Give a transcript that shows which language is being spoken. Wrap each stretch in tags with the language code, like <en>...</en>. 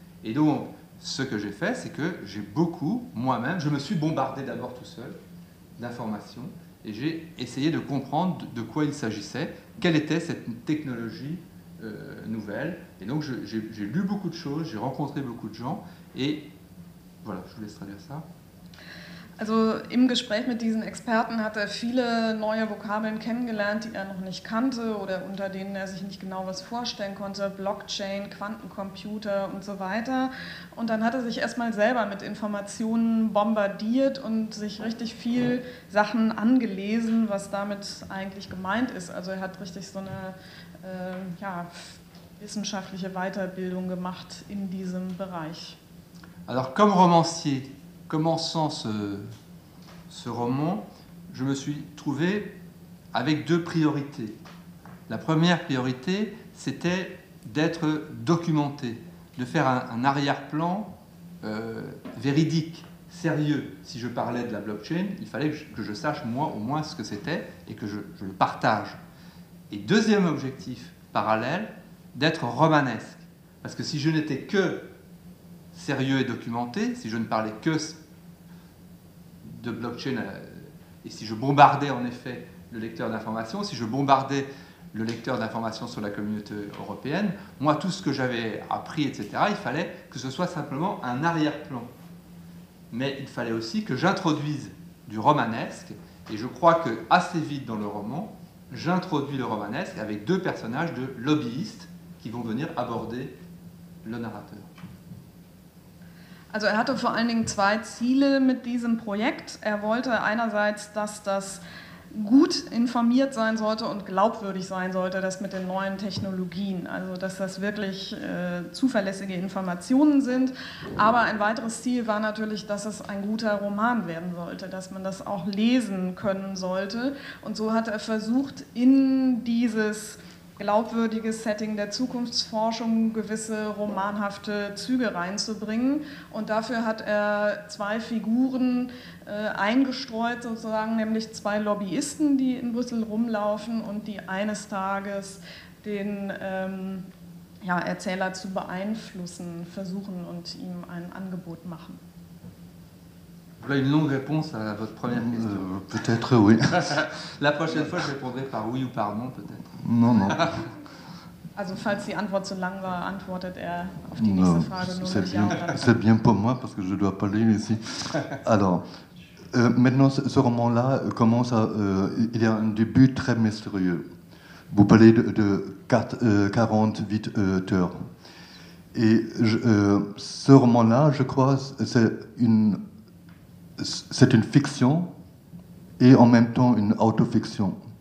<fr>Et donc, ce que j'ai fait, c'est que j'ai beaucoup, moi-même, je me suis bombardé d'abord tout seul d'informations. Et j'ai essayé de comprendre de quoi il s'agissait, quelle était cette technologie nouvelle. Et donc j'ai lu beaucoup de choses, j'ai rencontré beaucoup de gens. Et voilà, je vous laisse traduire ça.</fr> <de>Also im Gespräch mit diesen Experten hat er viele neue Vokabeln kennengelernt, die er noch nicht kannte oder unter denen er sich nicht genau was vorstellen konnte, Blockchain, Quantencomputer und so weiter. Und dann hat er sich erstmal selber mit Informationen bombardiert und sich richtig viel Sachen angelesen, was damit eigentlich gemeint ist. Also er hat richtig so eine wissenschaftliche Weiterbildung gemacht in diesem Bereich.</de> <fr>Alors comme romancier, commençant ce roman, je me suis trouvé avec deux priorités. La première priorité, c'était d'être documenté, de faire un arrière-plan véridique, sérieux. Si je parlais de la blockchain, il fallait que je sache moi au moins ce que c'était et que je le partage. Et deuxième objectif parallèle, d'être romanesque. Parce que si je n'étais que sérieux et documenté, si je ne parlais que de blockchain et si je bombardais en effet le lecteur d'informations, si je bombardais le lecteur d'informations sur la communauté européenne, moi tout ce que j'avais appris, etc., il fallait que ce soit simplement un arrière-plan. Mais il fallait aussi que j'introduise du romanesque, et je crois que assez vite dans le roman, j'introduis le romanesque avec deux personnages de lobbyistes qui vont venir aborder le narrateur.</fr> <de>Also er hatte vor allen Dingen zwei Ziele mit diesem Projekt. Er wollte einerseits, dass das gut informiert sein sollte und glaubwürdig sein sollte, das mit den neuen Technologien, also dass das wirklich zuverlässige Informationen sind. Aber ein weiteres Ziel war natürlich, dass es ein guter Roman werden sollte, dass man das auch lesen können sollte. Und so hat er versucht, in dieses glaubwürdiges Setting der Zukunftsforschung gewisse romanhafte Züge reinzubringen. Und dafür hat er zwei Figuren eingestreut, sozusagen, nämlich zwei Lobbyisten, die in Brüssel rumlaufen und die eines Tages den Erzähler zu beeinflussen versuchen und ihm ein Angebot machen.</de> <fr>Voilà une longue réponse à votre première question. Peut-être oui. La prochaine fois, je répondrai par oui ou par non, peut-être. Non, non.</fr> <de>Also, falls die Antwort zu lang war, antwortet er auf die nächste Frage.</de> <fr>C'est bien, c'est bien pour moi, parce que je dois pas lire ici. Alors, maintenant, ce roman-là commence à. Il y a un début très mystérieux. Vous parlez de 48 heures. Et ce roman-là, je crois, c'est une fiction et en même temps une autofiction.</fr>